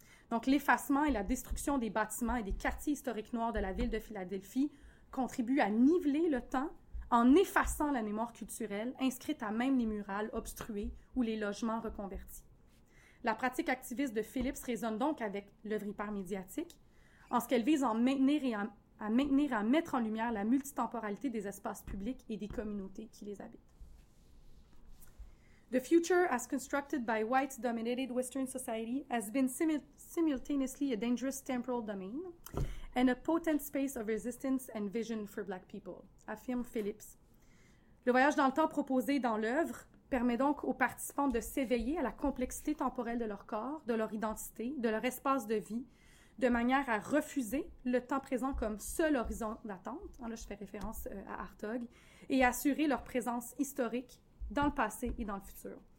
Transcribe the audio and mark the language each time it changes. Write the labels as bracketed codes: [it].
[fr] Donc, l'effacement et la destruction des bâtiments et des quartiers historiques noirs de la ville de Philadelphie contribuent à niveler le temps en effaçant la mémoire culturelle inscrite à même les murales obstruées ou les logements reconvertis. La pratique activiste de Phillips résonne donc avec l'œuvre hypermédiatique, en ce qu'elle vise à mettre en lumière la multitemporalité des espaces publics et des communautés qui les habitent. [en] The future as constructed by white-dominated Western society has been simultaneously a dangerous temporal domain and a potent space of resistance and vision for Black people, [fr] affirme Phillips. Le voyage dans le temps proposé dans l'œuvre permet donc aux participants de s'éveiller à la complexité temporelle de leur corps, de leur identité, de leur espace de vie, de manière à refuser le temps présent comme seul horizon d'attente, hein, là je fais référence à Hartog, et assurer leur présence historique dans le passé et dans le futur.